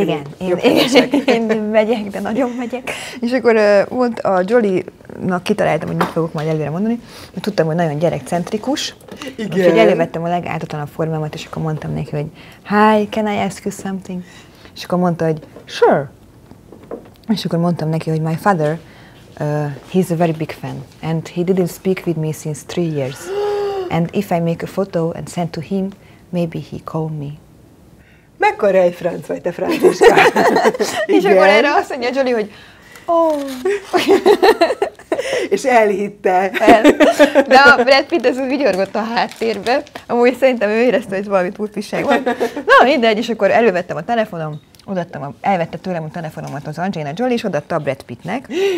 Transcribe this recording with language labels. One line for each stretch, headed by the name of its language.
Hungarian: Igen, én megyek, de nagyon megyek. És akkor mondt a Jolly-nak kitaláltam, hogy mit fogok majd előre mondani. Tudtam, hogy nagyon gyerekcentrikus. Igen. Úgyhogy elővettem a legáltatlanabb formámat, és akkor mondtam neki, hogy
English: hi, can I ask you something?
Hungarian: És akkor mondta, hogy sure. És akkor mondtam neki, hogy
English: my father... he's a very big fan, and he didn't speak with me since 3 years. And if I make a photo and send to him, maybe he call me.
Hungarian: Mekkora egy franc vagy, te franciska? És akkor erre azt mondja Jolly, hogy oh. És elhitte. De a Brad Pitt az úgy vigyorgott a háttérbe. Amúgy szerintem ő érezte, hogy valamit útviság van. Na, mindegy, és akkor elővettem a telefonom, elvette tőlem a telefonomat az Angelina Jolly, és odaadta a Brad Pittnek.